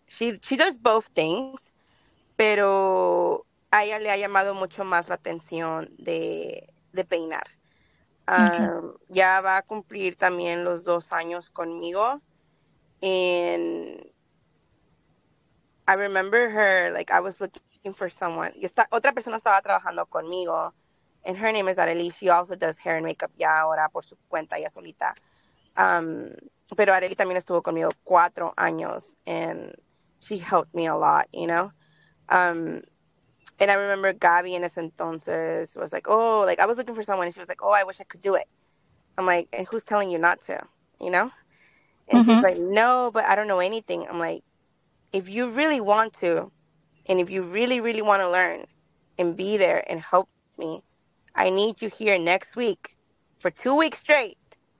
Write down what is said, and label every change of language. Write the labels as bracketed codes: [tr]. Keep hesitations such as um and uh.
[en] She she does both things, [es] pero a ella le ha llamado mucho más la atención de, de peinar. Um, mm -hmm. Ya va a cumplir también los dos años conmigo. [en] And I remember her, like, I was looking for someone. [es] Y esta, otra persona estaba trabajando conmigo. [en] And her name is Arely. She also does hair and makeup [es] ya ahora por su cuenta, ya solita. Um, pero Arely también estuvo conmigo cuatro años. [en] And she helped me a lot, you know? Um, And I remember Gabby in [es] ese entonces [en] was like, oh, like I was looking for someone. she was like, oh, I wish I could do it. I'm like, and who's telling you not to? You know? And mm -hmm. she's like, no, but I don't know anything. I'm like, if you really want to, and if you really, really want to learn and be there and help me, I need you here next week for two weeks straight.